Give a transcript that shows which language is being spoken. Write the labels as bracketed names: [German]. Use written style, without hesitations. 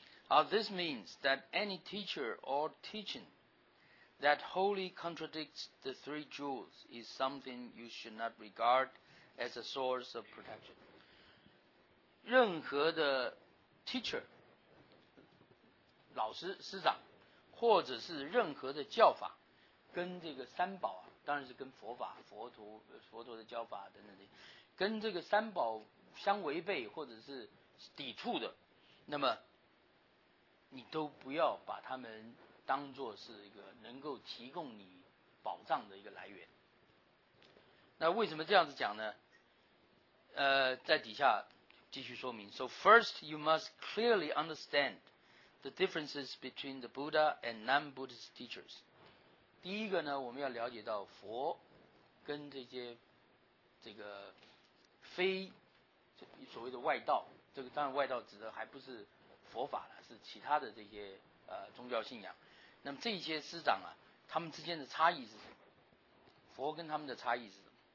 [English] Now, this means that any teacher or teaching that wholly contradicts the three jewels is something you should not regard as a source of protection. [Chinese] 任何的 teacher, 老师、师长，或者是任何的教法，跟这个三宝啊，当然是跟佛法、佛陀的教法等等的，跟这个三宝相违背或者是抵触的，那么你都不要把他们当作是一个能够提供你保障的一个来源。那为什么这样子讲呢？在底下继续说明。 [English] So first, you must clearly understand the differences between the Buddha and non-Buddhist teachers. [Chinese] 第一个呢，我们要了解到佛跟这个非所谓的外道，这个当然外道指的还不是佛法了，是其他的这些宗教信仰。那么这些师长啊，他们之间的差异是什么？佛跟他们的差异是什么？